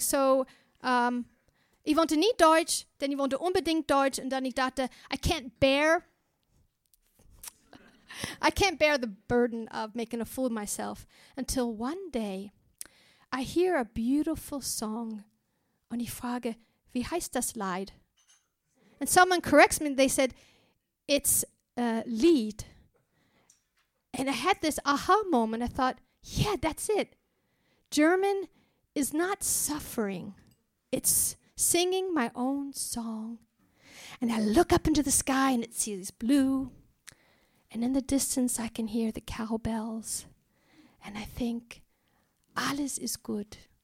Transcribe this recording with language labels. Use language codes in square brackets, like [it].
[de] So, ich wollte nie Deutsch, denn ich wollte unbedingt Deutsch, und dann ich dachte, [en] I can't bear the burden of making a fool of myself, until one day, I hear a beautiful song, [de] und ich frage, wie heißt das Lied? [en] And someone corrects me, they said, it's a Lied. And I had this aha moment. I thought, yeah, that's it. German is not suffering. It's singing my own song. And I look up into the sky and it sees blue. And in the distance, I can hear the cowbells. And I think, [de] alles ist gut.